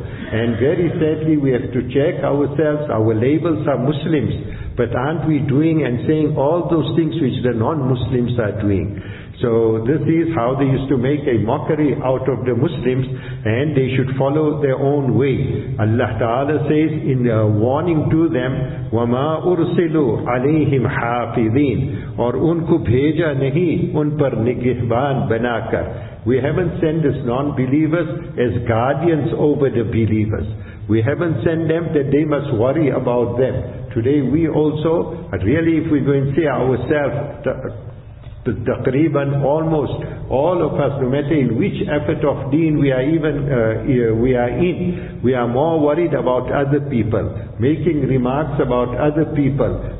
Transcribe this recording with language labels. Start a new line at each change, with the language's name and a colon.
English: And very sadly we have to check ourselves, our labels are Muslims. But aren't we doing and saying all those things which the non-Muslims are doing? So this is how they used to make a mockery out of the Muslims, and they should follow their own way. Allah Ta'ala says in a warning to them,
Arabic: وَمَا أُرْسِلُوا عَلَيْهِمْ حَافِظِينَ
Urdu: اور ان کو بھیجا نہیں ان پر نگہبان بنا کر.
English: We haven't sent these non-believers as guardians over the believers. We haven't sent them that they must worry about them. Today we also, really if we go and see ourselves, taqriban almost all of us, no matter in which effort of deen we are even we are in, we are more worried about other people, making remarks about other people.